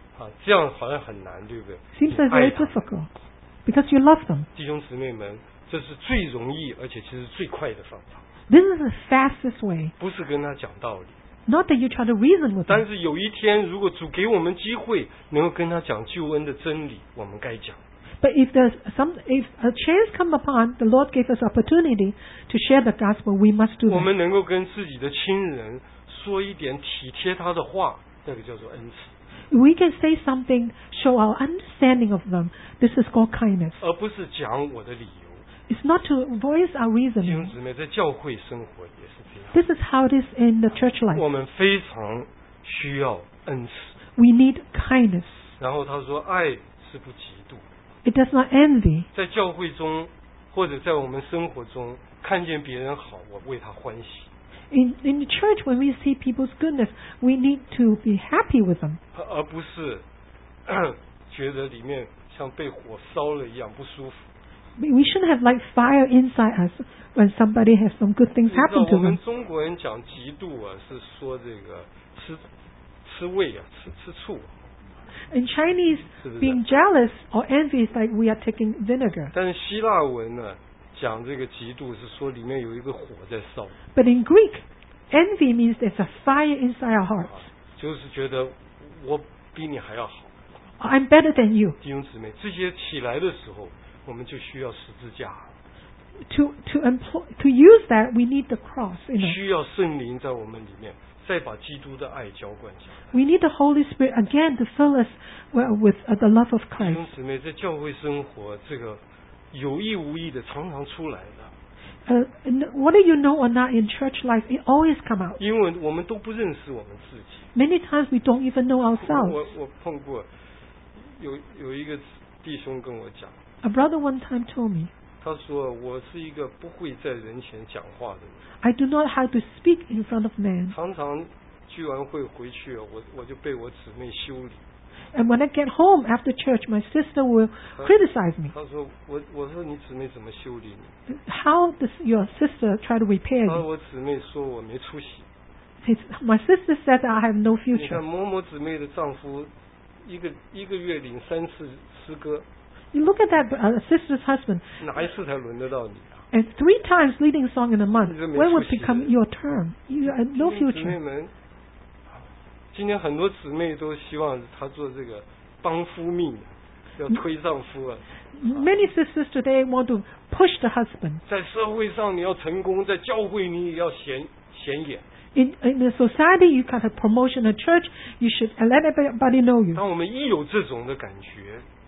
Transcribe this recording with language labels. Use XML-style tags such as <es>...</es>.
<zh>啊，这样好像很难，对不对？</zh> <en>Seems very difficult. Because you love them.</en> <zh>弟兄姊妹们，这是最容易而且其实最快的方法。</zh> <en>This is the fastest way.</en> <zh>不是跟他讲道理。</zh> <en>Not that you try to reason with them.</en> <zh>但是有一天，如果主给我们机会，能够跟他讲救恩的真理，我们该讲。</zh> <en>But if a chance come upon, the Lord gave us opportunity to share the gospel, we must do that.</en> <zh>我们能够跟自己的亲人说一点体贴他的话，那个叫做恩慈。</zh> <en>We can say something, show our understanding of them. This is called kindness.</en> <zh>而不是讲我的理由。</zh> <en>It's not to voice our reasoning.</en> <zh>弟兄姊妹，在教会生活也是这样。</zh> <en>This is how it is in the church life.</en> <zh>我们非常需要恩慈。</zh> <en>We need kindness.</en> <zh>然后他说，爱是不嫉妒。</zh> <en>It does not envy.</en> <zh>在教会中，或者在我们生活中，看见别人好，我为他欢喜。</zh> <en>In the church, when we see people's goodness, we need to be happy with them.</en> <zh>而不是觉得里面像被火烧了一样不舒服。</zh> <en>We shouldn't have like fire inside us when somebody has some good things happen to them.</en> <zh>我们中国人讲嫉妒啊，是说这个吃味啊，吃醋。</zh> <en>In Chinese,</en> <zh>是不是？</zh> <en>Being jealous or envy is like we are taking vinegar.</en> <zh>但是希腊文呢？讲这个嫉妒是说里面有一个火在烧。</zh> <en>But in Greek, envy means there's a fire inside our hearts.</en> <zh>就是觉得我比你还要好。</zh> <en>I'm better than you.</en> <zh>弟兄姊妹，这些起来的时候，我们就需要十字架。</zh> <en>To use that, we need the cross.</en> <zh>需要圣灵在我们里面，再把基督的爱浇灌下。</zh> <en>We need the Holy Spirit again to fill us with the love of Christ.</en> <zh>弟兄姊妹，在教会生活这个。有意无意的常常出来的。</zh> <en>Whether you know or not in church life, it always come out.</en> <zh>因为我们都不认识我们自己。</zh> <en>Many times we don't even know ourselves.</en> <zh>我碰过有一个弟兄跟我讲。</zh> <en>A brother one time told me.</en> <zh>他说我是一个不会在人前讲话的人。</zh> <en>I do not how to speak in front of men.</en> <zh>常常聚完会回去，我就被我姊妹羞辱。</zh> <en>And when I get home after church, my sister will criticize me.</en> <zh>他说我说你姊妹怎么羞辱你</zh> <en>？How does your sister try to repair you？</en> <zh>他说我姊妹说我没出息。</zh> <en>My sister said I have no future.</en> <zh>你看某某姊妹的丈夫，一个月领三次诗歌。</zh> <en>You look at that sister's husband.</en> <zh>哪一次才轮得到你啊</zh> <en>？And three times leading song in a month. When would become your turn? You have no future.</en> <zh>姊妹们，今天很多姊妹都希望她做这个帮夫命，要推丈夫啊。</zh> <en>Many sisters today want to push the husband.</en> <zh>在社会上你要成功，在教会你也要显眼。</zh> <en>In a society, you can have promotion in church. You should let everybody know you.</en> <zh>当我们一有这种的感觉。</zh>